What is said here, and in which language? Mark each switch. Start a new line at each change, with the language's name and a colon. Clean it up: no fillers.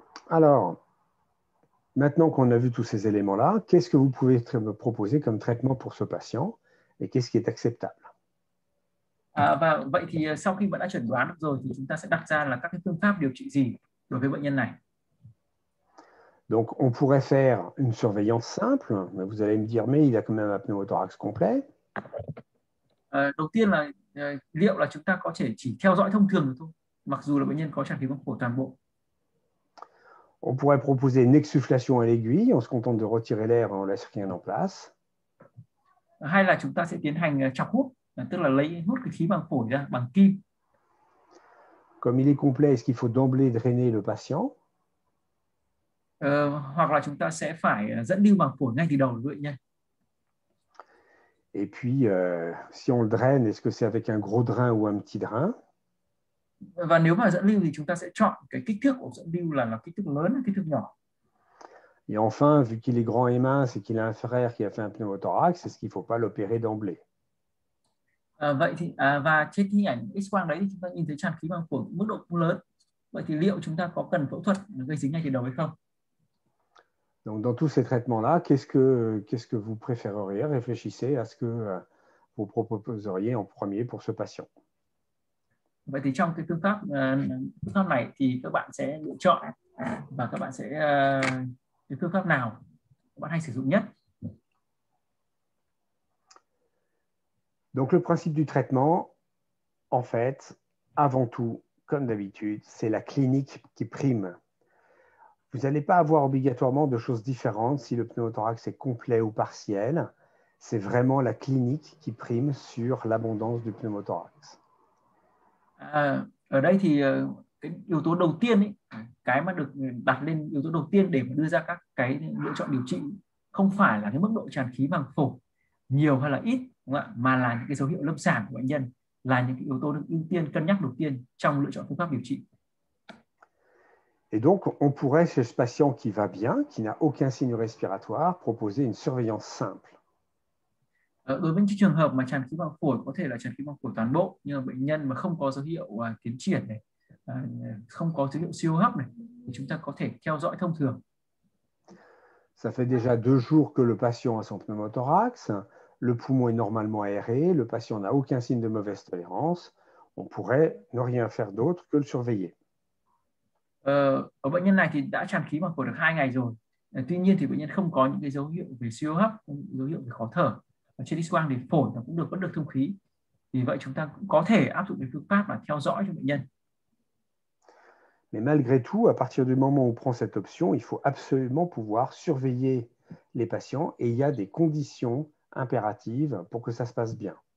French: Alors, maintenant qu'on a vu tous ces éléments-là, qu'est-ce que vous pouvez me proposer comme traitement pour ce patient et qu'est-ce qui est acceptable?
Vietnamese: Và vậy thì sau khi bạn đã chẩn đoán rồi thì chúng ta sẽ đặt ra là các cái phương pháp điều trị gì đối với bệnh nhân này.
French: Donc, on pourrait faire une surveillance simple, mais vous allez me dire, mais il a quand même un pneumothorax complet.
Vietnamese: Đầu tiên là liệu là chúng ta có thể chỉ theo dõi thông thường được không? Mặc dù là bệnh nhân có tràn khí màng phổi toàn bộ.
French: On pourrait proposer une exsufflation à l'aiguille, on se contente de retirer l'air, on ne laisse rien en place.
Vietnamese: Hay là chúng ta sẽ tiến hành chọc hút. Tức là lấy hút cái khí màng phổi ra bằng kim.
French: Comme il est complet, est-ce qu'il faut d'emblée drainer le patient?
Vietnamese: Hoặc là chúng ta sẽ phải dẫn lưu màng phổi ngay từ đầu vậy nha.
French: Et puis, si on le draine, est-ce que c'est avec un gros drain ou un petit drain?
Vietnamese: Và nếu mà dẫn lưu thì chúng ta sẽ chọn cái kích thước của dẫn lưu là kích thước lớn hay kích thước nhỏ.
French: Et enfin, vu qu'il est grand et mince et qu'il a un frère qui a fait un pneumothorax, est-ce qu'il ne faut pas l'opérer d'emblée?
Vietnamese: Vậy thì và trên hình ảnh X-quang đấy thì chúng ta nhìn thấy tràn khí màng phổi mức độ cũng lớn. Vậy thì liệu chúng ta có cần phẫu thuật gây dính ngay từ đầu hay không?
French: Donc, dans tous ces traitements-là, qu'est-ce que vous préféreriez? Réfléchissez à ce que vous proposeriez en premier pour ce patient.
Vietnamese: Vậy thì trong cái phương pháp này thì các bạn sẽ lựa chọn và các bạn sẽ cái phương pháp nào bạn hay sử dụng nhất?
French: Donc le principe du traitement, en fait, avant tout, comme d'habitude, c'est la clinique qui prime. Vous n'allez pas avoir obligatoirement de choses différentes si le pneumothorax est complet ou partiel. C'est vraiment la clinique qui prime sur l'abondance du pneumothorax.
Vietnamese: Ở đây thì cái yếu tố đầu tiên ấy, cái mà được đặt lên yếu tố đầu tiên để đưa ra các cái lựa chọn điều trị không phải là cái mức độ tràn khí màng phổi nhiều hay là ít đúng không ạ? Mà là những cái dấu hiệu lâm sàng của bệnh nhân là những cái yếu tố được ưu tiên cân nhắc đầu tiên trong lựa chọn phương pháp điều trị.
French: Et donc, on pourrait, chez ce patient qui va bien, qui n'a aucun signe respiratoire, proposer une surveillance simple.
Vietnamese: Đối với những trường hợp mà tràn khí màng phổi có thể là tràn khí màng phổi toàn bộ nhưng mà bệnh nhân mà không có dấu hiệu tiến triển này, không có dấu hiệu siêu hấp này thì chúng ta có thể theo dõi thông thường.
French: Ça fait déjà 2 jours que le patient a son pneumothorax, le poumon est normalement aéré, le patient n'a aucun signe de mauvaise tolérance. On pourrait ne rien faire d'autre que le surveiller.
Vietnamese: Ở bệnh nhân này thì đã tràn khí màng phổi được 2 ngày rồi. Tuy nhiên thì bệnh nhân không có những cái dấu hiệu về siêu hấp, không dấu hiệu về khó thở. Trên X-quang thì phổi nó cũng được vẫn được thông khí. Vì vậy chúng ta cũng có thể áp dụng cái phương pháp là theo dõi cho bệnh nhân.
French: Mais malgré tout, à partir du moment où on prend cette option, il faut absolument pouvoir surveiller les patients et il y a des conditions impératives pour que ça se passe bien.